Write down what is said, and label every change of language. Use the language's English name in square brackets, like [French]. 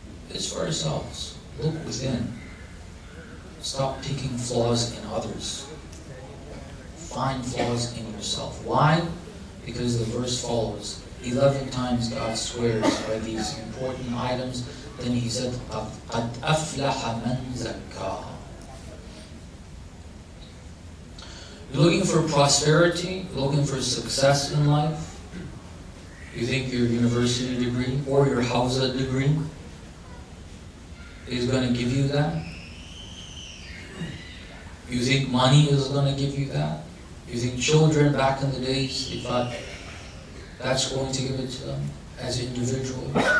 [English] It's for ourselves. Look within. Stop picking flaws in others. Find flaws in yourself. Why? Because the verse follows. 11 times God swears by these important items. [Arabic] Then he said, قَدْ أَفْلَحَ مَنْ زَكَّاهَا. [English] You're looking for prosperity, looking for success in life. You think your university degree or your Hawza degree is going to give you that. You think money is going to give you that? You think children back in the days, if I, that's going to give it to them as individuals?